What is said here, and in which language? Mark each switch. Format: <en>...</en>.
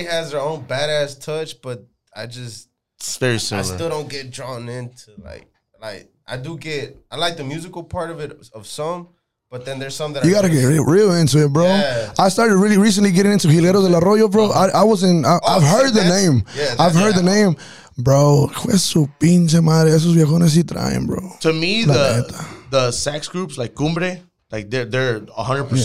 <en>Everybody has their own badass touch, but I just... It's very similar. I still don't get drawn into, like... I do get, I like the musical part of it, of some, but then there's some that you gotta get real into it, bro. Yeah. I started really recently getting into Gilero del Arroyo, bro. I've heard the name. Yeah, I've heard the name.</en> <es>Bro, pues su pinche madre, esos viejones sí traen, bro.</es> <en>To me, the sax groups like Cumbre, like they're 100%.</en>